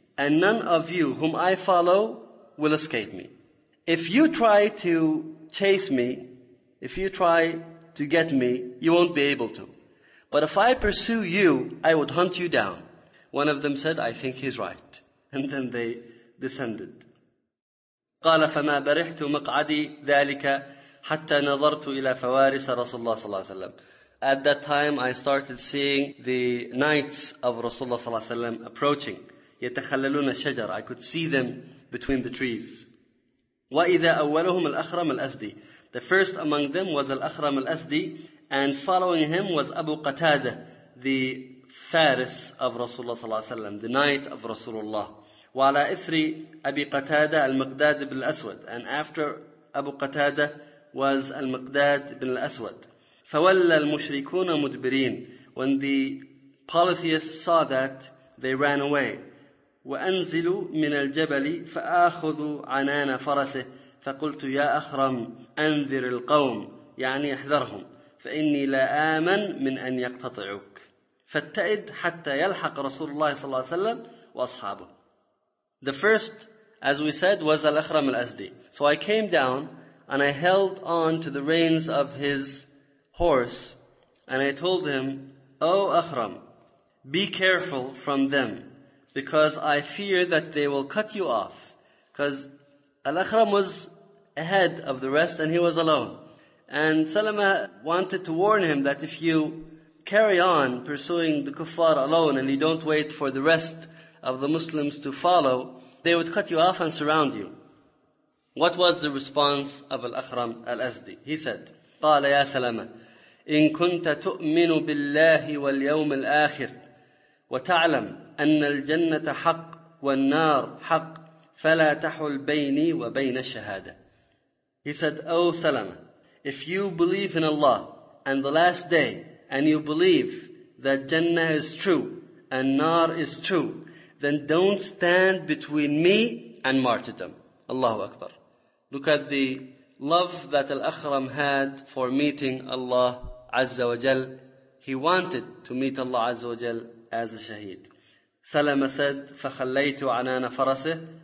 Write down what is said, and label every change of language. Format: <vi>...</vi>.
<en>And none of you whom I follow will escape me. If you try to chase me, if you try to get me, you won't be able to. But if I pursue you, I would hunt you down. One of them said, I think he's right. And then they descended.</en> <ar>قال فما برحت مقعدي ذلك حتى نظرت إلى فوارس رسول الله صلى الله عليه وسلم.</ar> <en>At that time, I started seeing the knights of Rasulullah صلى الله عليه وسلم approaching.</en> <ar>يتخللون الشجر.</ar> <en>I could see them between the trees.</en> <ar>وإذا أولهم الأخرم الأسدي.</ar> <en>The first among them was الأخرم الأسدي. And following him was Abu Qatada, the Faris of Rasulullah صلى الله عليه وسلم, the knight of Rasulullah.</en> <ar>وعلى إثر أبي قتادة المقداد بن الأسود.</ar> <en>And after Abu Qatada was المقداد بن الأسود.</en> <ar>فولى المشركون مدبرين.</ar> <en>When the polytheists saw that, they ran away.</en> <ar>وأنزلوا من الجبل فأخذوا عنان فرسه فقلت يا أخرم أنذر القوم يعني احذرهم فإني لا آمن من أن يقتطعوك فاتئد حتى يلحق رسول الله صلى الله عليه وسلم وأصحابه.</ar> <en>The first, as we said, was Al-Akhram Al-Asdi. So I came down and I held on to the reins of his horse and I told him, O Akhram, be careful from them because I fear that they will cut you off. Because Al-Akhram was ahead of the rest and he was alone. And Salama wanted to warn him that if you carry on pursuing the kuffar alone and you don't wait for the rest of the Muslims to follow, they would cut you off and surround you. What was the response of Al-Akhram Al-Azdi? He said,</en> <ar>قال يا سلامة إن كنت تؤمن بالله واليوم الآخر وتعلم أن الجنة حق والنار حق فلا تحل بيني وبين الشهادة.</ar> <en>He said, O Salama, if you believe in Allah and the last day and you believe that Jannah is true and Nar is true, then don't stand between me and martyrdom. Allahu Akbar. Look at the love that Al-Akhram had for meeting Allah Azza wa Jal. He wanted to meet Allah Azza wa Jal as a shaheed. Salama said,</en> <ar>فَخَلَّيْتُ عَنَانَ فَرَسِهِ.</ar>